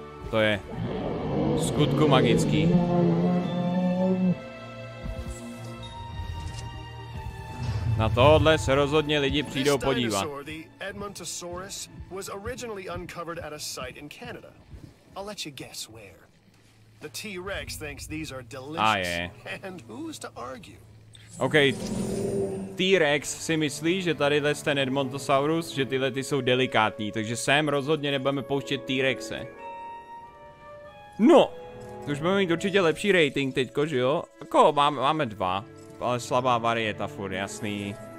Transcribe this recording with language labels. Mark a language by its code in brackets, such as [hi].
[cs] To je skutku magický. Na tohle se rozhodně lidi přijdou podívat. [en] The Edmontosaurus was originally uncovered at a site in Canada. I'll let you guess where. The T-Rex thinks these are delicious. And who's to argue? Okay. [cs] T-Rex si myslí, že tady ten Edmontosaurus, že tyhle ty jsou delikátní, takže sem rozhodně nebudeme pouštět T-Rexe. No, už budeme mít určitě lepší rating teďko, že jo? Jako, máme dva, ale slabá varieta furt, jasný.